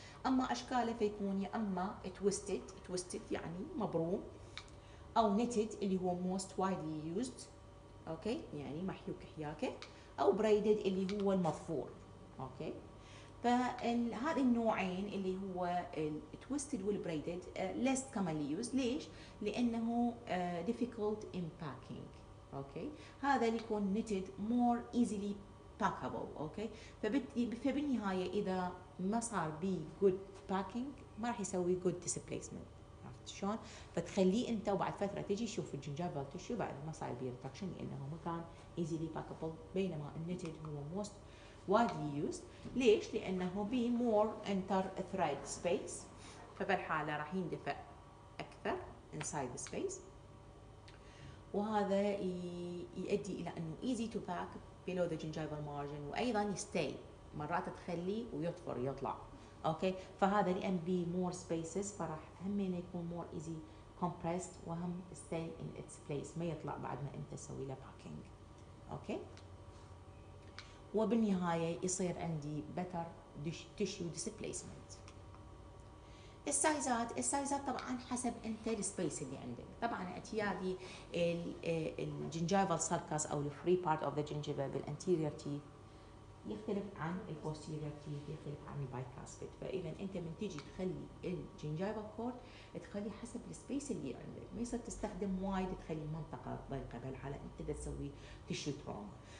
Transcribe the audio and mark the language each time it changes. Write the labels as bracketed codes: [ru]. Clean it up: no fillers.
[ar] اما اشكاله فيكون يا اما twisted يعني مبروم، او knitted اللي هو [en] most widely used [ar] اوكي يعني محيوك حياكه، او braided اللي هو المضفور. اوكي، فهذه النوعين اللي هو التويستد والبريدد ليس [en] Commonly use. [ar] ليش؟ لانه [en] difficult in packing. Okay, [ar] هذا اللي يكون [en] Knitted more easily packable. [ar] اوكي، فبالنهايه اذا ما صار بي [en] good packing [ar] ما راح يسوي [en] good displacement, [ar] عرفت شلون؟ فتخليه انت وبعد فتره تجي تشوف الجنجابل تشو بعد ما صار بي ريتراكشن لانه ما كان [en] easily packable, [ar] بينما النيتد هو [en] Most widely used. [ar] ليش؟ لأنه [en] be more inter thread space، [ar] فبالحالة راح يندفع أكثر [en] inside the space، [ar] وهذا يؤدي إلى أنه [en] easy to pack below the gingival margin، [ar] وأيضا [en] stay [ar] مرات تخلي ويطفر يطلع. أوكي، فهذا لأن [en] be more spaces [ar] فراح هم يكون [en] more easy compressed [ar] وهم [en] stay in its place، [ar] ما يطلع بعد ما أنت سوي له packing. أوكي، وبالنهاية يصير عندي [en] better tissue displacement. [ar] السايزات طبعا حسب انت السبيس اللي عندك. طبعا اعتيادي الجنجيفال sulcus او [en] free part of the gingiva [ar] بالانتيرير teeth يختلف عن [en] posterior teeth، [ar] يختلف عن bicuspid. فاذا انت من تجي تخلي الجنجيفال كورد تخلي حسب السبيس اللي عندك، ما يصير تستخدم وايد تخلي منطقة ضيقة، بل على انت تسوي [en] tissue trauma.